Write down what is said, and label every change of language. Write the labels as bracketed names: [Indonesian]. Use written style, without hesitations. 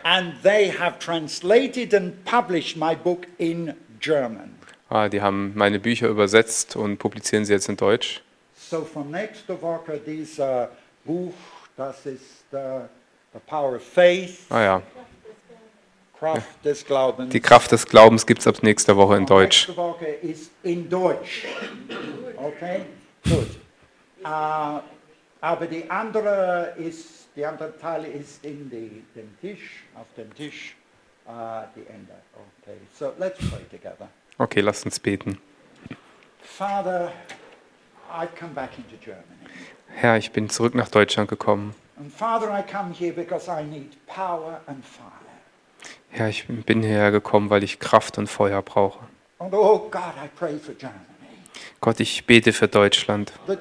[English] And they have translated and published my book in German. [German] Ah, die haben meine Bücher übersetzt und publizieren sie jetzt in Deutsch. [English] So from next [German] Woche dieses Buch, das ist The Power of Faith. Ah ja. Kraft des Glaubens. Die Kraft des Glaubens gibt's ab nächster Woche in Deutsch. Next Woche ist in Deutsch. Okay. Gut. Aber die andere Teil ist in dem Tisch, auf dem Tisch, die Ende. [English] Okay, so let's pray together. [German] Okay, lass uns beten. [English] Father, I've come back into Germany. [German] Herr, ich bin zurück nach Deutschland gekommen. [English] And Father, I come here because I need power and fire. [German] Herr, ich bin hierher gekommen, weil ich Kraft und Feuer brauche. [English] And oh God, I pray for Germany. [German] Gott, ich bete für Deutschland.